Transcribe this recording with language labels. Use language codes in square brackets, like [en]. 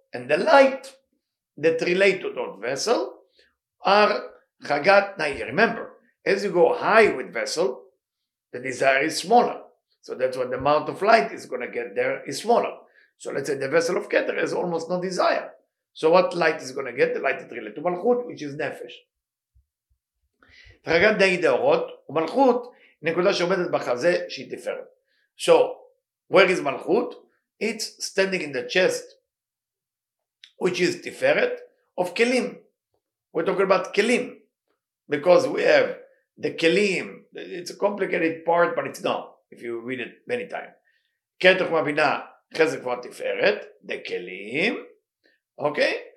[en] And the light that relate to that vessel are חגת נאי. Remember, as you go high with vessel, the desire is smaller. So that's what the amount of light is going to get there is smaller. So let's say the vessel of Keter has almost no desire. So what light is going to get? The light that relate to Malchut, which is Nefesh. [he] חגת נאי דאורות ומלכות נקודה שעומדת בחזה שהיא תפארת. [en] So, where is Malchut? It's standing in the chest, which is Tiferet, of Kelim. We're talking about Kelim, because we have the Kelim. It's a complicated part, but it's not, if you read it many times. Keter Chokhmah Binah, Chesed Gevurah Tiferet, the Kelim. Okay?